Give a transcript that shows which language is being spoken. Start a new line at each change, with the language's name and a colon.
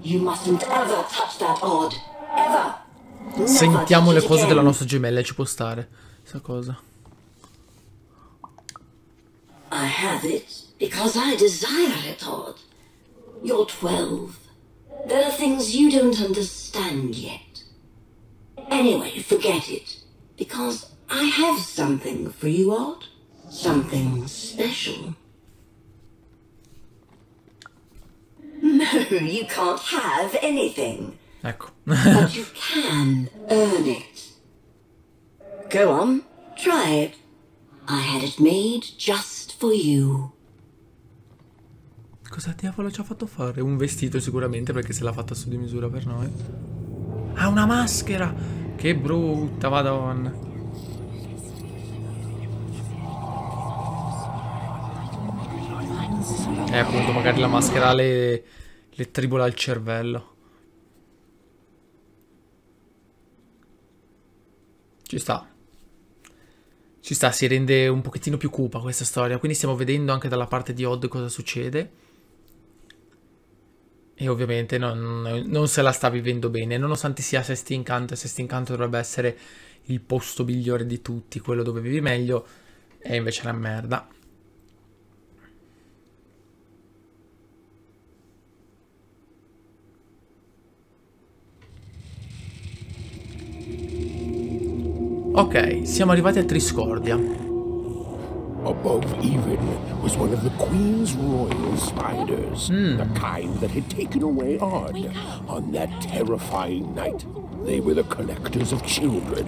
English: You mustn't ever touch that odd. Ever.
Italian: Sentiamo le cose della nostra gemella, ci può stare. Sa cosa?
English: I have it because I desire it, odd. You're 12. There are things you don't understand yet. Anyway, forget it. Because I have something for you, Odd. Something special. No, you can't have anything.
Italian: Ecco.
English: But you can earn it. Go on, try it. I had it made just for you.
Italian: Cosa diavolo ci ha fatto fare? Un vestito sicuramente, perché se l'ha fatta su di misura per noi. Ah, una maschera! Che brutta, madonna. Appunto, magari la maschera le tribola il cervello. Ci sta. Ci sta, si rende un pochettino più cupa questa storia. Quindi stiamo vedendo anche dalla parte di Odd cosa succede. E ovviamente non se la sta vivendo bene, nonostante sia Sesting Canto, e Sesting Canto dovrebbe essere il posto migliore di tutti, quello dove vivi meglio, è invece una merda. Ok, siamo arrivati a Triscordia.
English: Above even was one of the Queen's royal spiders, the kind that had taken away Odd on that terrifying night. They were the collectors of children.